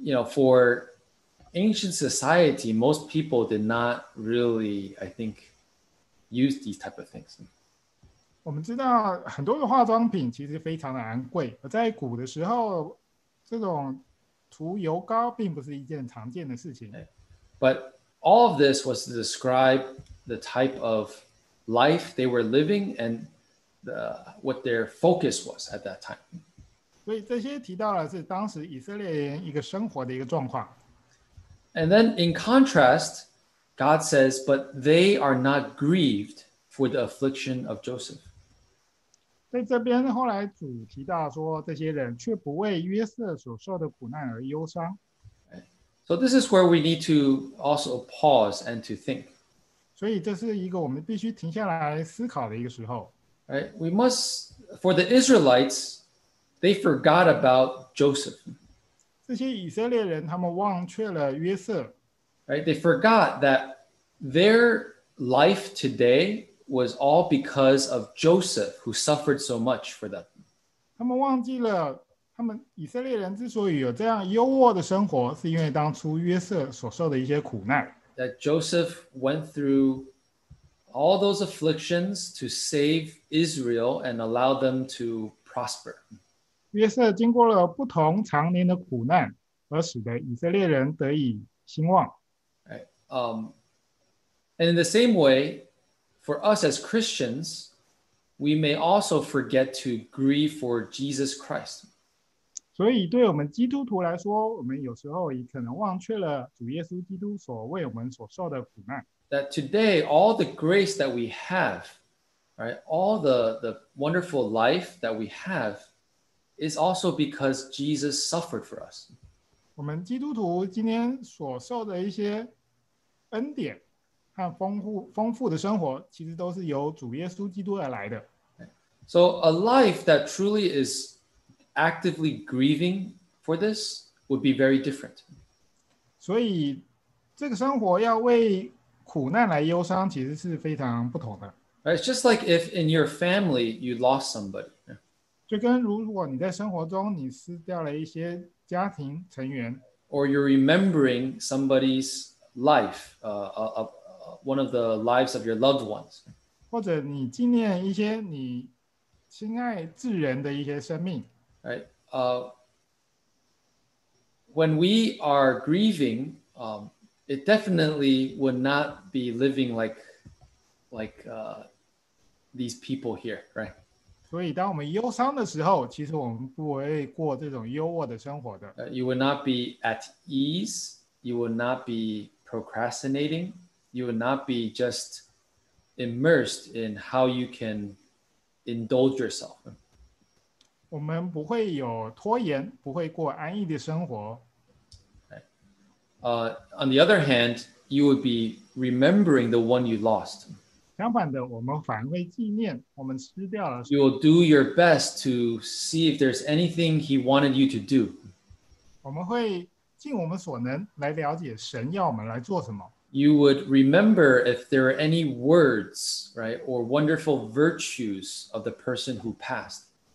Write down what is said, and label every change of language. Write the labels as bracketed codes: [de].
[en] For ancient society, most people did not really, I think, use these type of things. [zh] 我们知道很多的化妆品其实非常的昂贵，而在古的时候，这种涂油膏并不是一件常见的事情。 [en] But all of this was to describe the type of life they were living and what their focus was at that time. [zh] 所以这些提到的是当时以色列人一个生活的一个状况。 [en] And then in contrast, God says, but they are not grieved for the affliction of Joseph. [zh] 在这边后来主提到说这些人却不为约瑟所受的苦难而忧伤。 [en] So this is where we need to also pause and to think. [zh] 所以这是一个我们必须停下来思考的一个时候。 [en] Right? We must, for the Israelites, they forgot about Joseph. [zh] 这些以色列人他们忘却了约瑟。 [en] Right, they forgot that their life today was all because of Joseph who suffered so much for them. [zh] 他们忘记了他们以色列人之所以有这样优渥的生活是因为当初约瑟所受的一些苦难。 [en] That Joseph went through all those afflictions to save Israel and allow them to prosper. [zh] 约瑟经过了不同长年的苦难，而使得以色列人得以兴旺。 [en] Right. And in the same way, for us as Christians, we may also forget to grieve for Jesus Christ. [zh] 所以对我们基督徒来说，我们有时候也可能忘却了主耶稣基督所为我们所受的苦难。 [en] That today, all the grace that we have, right, all the wonderful life that we have,is also because Jesus suffered for us. [zh] 我们基督徒今天所受的一些恩典和丰富的生活其实都是由主耶稣基督而来的。 [en] So a life that truly is actively grieving for this would be very different. [zh] 所以这个生活要为苦难来忧伤其实是非常不同的。 [en] It's just like if in your family you lost somebody. [zh] 就跟如果你在生活中你失掉了一些家庭成员 [en] ，or you're remembering somebody's life, one of the lives of your loved ones， [zh] 或者你纪念一些你亲爱至人的一些生命 [en] ，when we are grieving, it definitely would not be living like these people here, right？ [zh] 所以当我们忧伤的时候其实我们不会过这种优渥的生活的。 [en] You would not be at ease you will not be procrastinating. You will not be just immersed in how you can indulge yourself. [zh] 我们不会有拖延，不会过安逸的生活。 [en] On the other hand, you would be remembering the one you lost. [zh] 相反的，我们反而会纪念我们失掉了。 [en] You will do your best to see if there's anything he wanted you to do. [zh] 我们会尽我们所能来了解神要我们来做什么。 [en] You would remember if there are any words, right, or wonderful virtues of the person who passed.